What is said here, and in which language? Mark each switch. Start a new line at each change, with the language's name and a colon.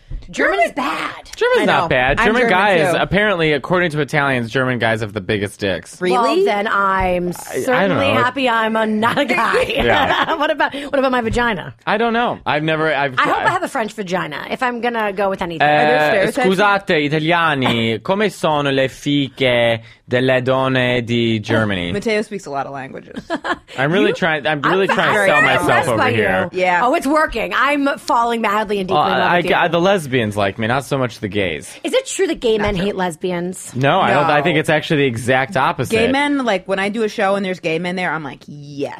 English: German is bad. German's not bad. German guys, too. Apparently, according to Italians, German guys have the biggest dicks. Really? Well, then I'm certainly happy I'm not a guy. What about my vagina? I don't know. I hope I have a French vagina, if I'm going to go with anything.
Italian: Scusate, italiani, come sono le fiche delle donne di Germany?
English: Matteo speaks a lot of languages. I'm really trying to sell myself over here. Yeah. Oh, it's working. I'm falling madly and deeply in love with you. The lesbians like me, not so much the gays. Is it true that gay men hate lesbians? No, I don't. I think it's actually the exact opposite. Gay men, like, when I do a show and there's gay men there, I'm like, yes.